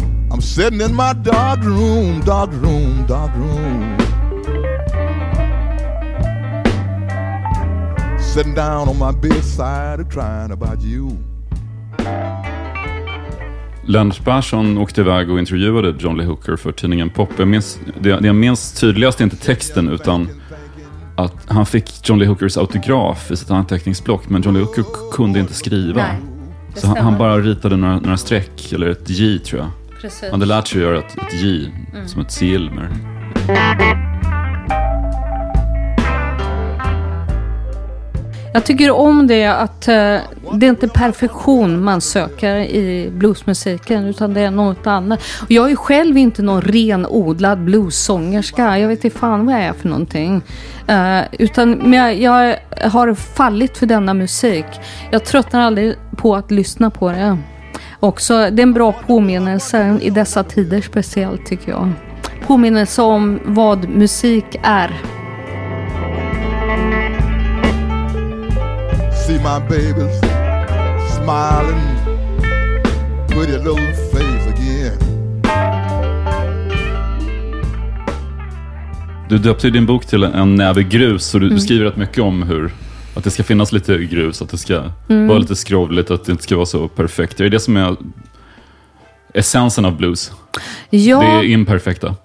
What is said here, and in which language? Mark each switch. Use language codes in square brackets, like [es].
[en] I'm sitting in my dark room, dark room, dark room. sitting down on my bedside crying about you. [sv] Lennart Persson åkte iväg och intervjuade John Lee Hooker för tidningen Pop. Jag minns, det jag minns tydligast är inte texten, utan att han fick John Lee Hookers autograf i sitt anteckningsblock, men John Lee Hooker kunde inte skriva. Nej, så han bara ritade några streck, eller ett J tror jag. Precis. Han hade lärt sig att göra ett J, som ett silmer. Jag tycker om det att det är inte perfektion man söker i bluesmusiken, utan det är något annat. Och jag är själv inte någon renodlad bluessångerska. Jag vet inte fan vad jag är för någonting. Utan jag har fallit för denna musik. Jag tröttnar aldrig på att lyssna på det. Också, det är en bra påminnelse i dessa tider speciellt, tycker jag. Påminnelse om vad musik är. [en] See my babies smiling, pretty little face again. [sv] Du döpte din bok till En näve grus, och du skriver rätt mycket om hur att det ska finnas lite grus, att det ska vara lite skrovligt, att det inte ska vara så perfekt. Det är det som är essensen av blues. Ja, det är imperfekta.